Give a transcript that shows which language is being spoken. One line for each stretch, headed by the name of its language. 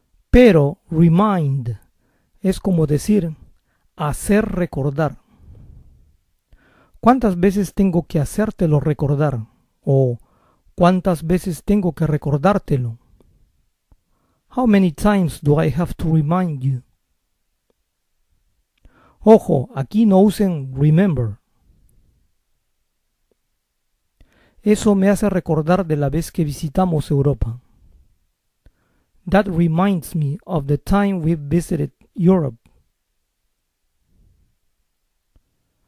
Spanish: Pero remind es como decir hacer recordar. ¿Cuántas veces tengo que hacértelo recordar? O ¿cuántas veces tengo que recordártelo?
English: How many times do I have to remind you?
Spanish: Ojo, aquí no usen remember. Eso me hace recordar de la vez que visitamos Europa.
English: That reminds me of the time we visited Europe.
Spanish: Hazme recordar que tengo que pagar las cuentas.